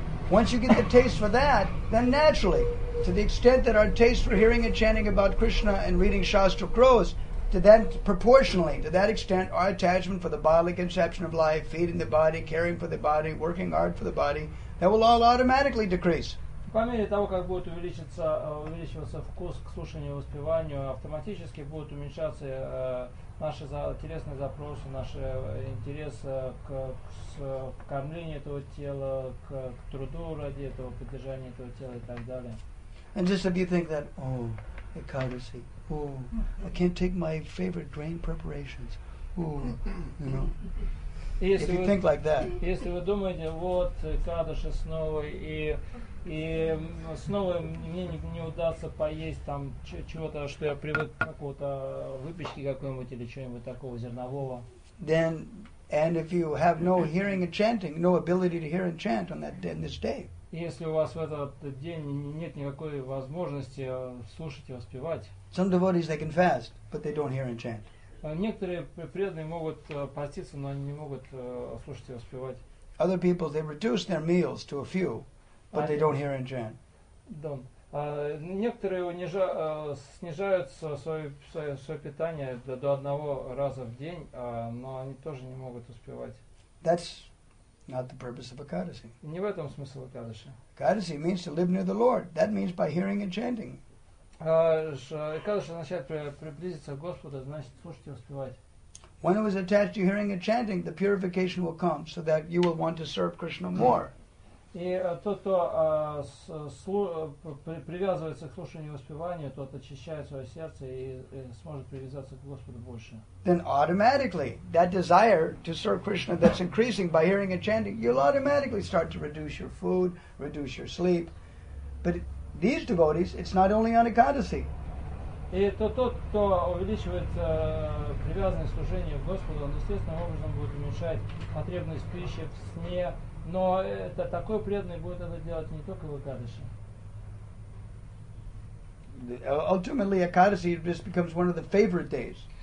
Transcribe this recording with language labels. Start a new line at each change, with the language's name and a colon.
English: Once you get the taste for that, then naturally, to the extent that our taste for hearing and chanting about Krishna and reading Shastra grows, to that proportionally, to that extent, our attachment for the bodily conception of life, feeding the body, caring for the body, working hard for the body, that will all automatically decrease.
Russian: По мере того, как будет увеличиваться вкус к слушанию и воспеванию, автоматически будут уменьшаться наши телесные запросы, наш интерес к кормлению этого тела, к труду ради этого, поддержанию этого тела и так далее.
English: And just if you think that, oh, Ekadasi, oh, I can't take my favorite grain preparations, oh, you know. If you think like that.
Russian: Если вы думаете, вот, Ekadasi снова, и снова мне не удастся поесть там чего-то, что я привык, какого-то выпечки какой-нибудь или чего-нибудь такого зернового.
English: Then, and if you have no hearing and chanting, no ability to hear and chant on that day, this day.
Russian: Если у вас в этот день нет никакой возможности слушать и воспевать.
English: Some devotees, they can fast, but they don't hear and chant.
Russian: Некоторые преданные могут поститься, но они не могут слушать и воспевать.
English: Other people, they reduce their meals to a few, but they don't hear and chant.
Russian: Некоторые снижают свое питание до одного раза в день, но они тоже не могут успевать.
English: That's not the purpose of a kadasi.
Russian: Не в этом смысл кадаши.
English: Kadasi means to live near the Lord. That means by hearing and chanting.
Russian: Кадаши означает приблизиться к Господу, значит слушать и воспевать.
English: When it was attached to hearing and chanting, the purification will come so that you will want to serve Krishna more.
Russian: И тот, кто привязывается к слушанию и воспеванию, тот очищает свое сердце и сможет привязаться к Господу больше.
English: Then automatically, that desire to serve Krishna that's increasing by hearing and chanting, you'll automatically start to reduce your food, reduce your sleep. But these devotees, it's not only on Ekadasi.
Russian: И тот, кто увеличивает привязанность к служению Господу, он естественным образом будет уменьшать потребность пищи в сне. Но это такой преданный будет это делать не только в Экадаши.
English: Ultimately, Экадаши just becomes one of the favorite days.